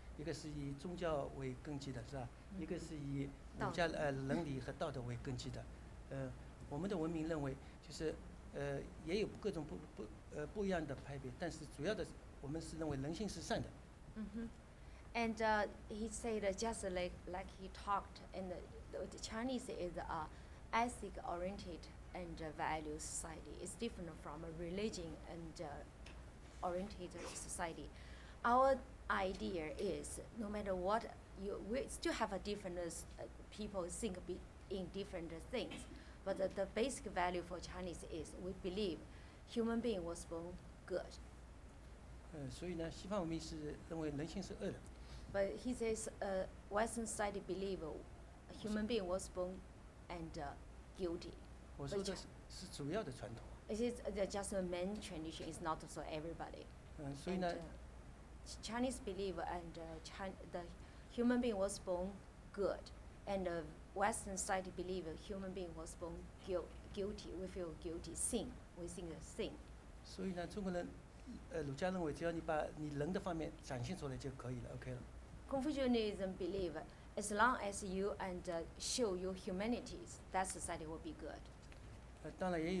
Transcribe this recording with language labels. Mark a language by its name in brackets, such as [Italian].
[Chinese] 一个是以宗教为根基的，是吧？一个是以儒家伦理和道德为根基的。我们的文明认为，就是也有各种不一样的派别，但是主要的我们是认为人性是善的。嗯哼， [English] And he said just like he talked, and the Chinese is a ethic oriented and value society. It's different from a religion and oriented society. Our idea is no matter what we still have a different people think in different things, but the basic value for Chinese is we believe human being was born good. [Chinese] 所以呢，西方文明是认为人性是恶的。 [English] But he says Western society believe human being was born and guilty. [Chinese] 我说的是主要的传统。 [English] It is just a main tradition. It's not so everybody. [Chinese] 所以呢。 [English] Chinese believe and the human being was born good, and the Western side believe human being was born guilty. We feel guilty, sin. We think a sin. [Chinese] 所以呢，中国人，儒家认为只要你把你人的方面展现出来就可以了 ，OK 了。 [English] Confucianism believe as long as you and show your humanity, that society will be good.